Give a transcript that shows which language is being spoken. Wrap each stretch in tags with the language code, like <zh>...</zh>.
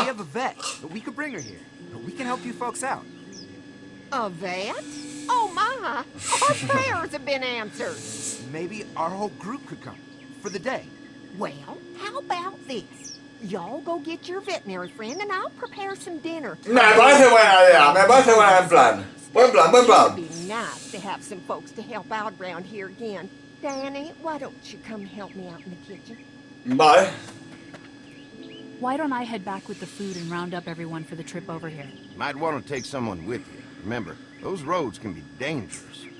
<en>We have a vet, but we could bring her here. We can help you folks out. A vet? Oh my! Our prayers have been answered. Maybe our whole group could come for the day. Well, how about this? Y'all go get your veterinary friend and I'll prepare some dinner.</en> <es>Me parece buena idea, me parece buena en plan. Buen plan, buen plan.</es> <en>It'd be nice to have some folks to help out around here again. Danny, why don't you come help me out in the kitchen? Bye. Why don't I head back with the food and round up everyone for the trip over here? Might want to take someone with you. Remember, those roads can be dangerous.</en>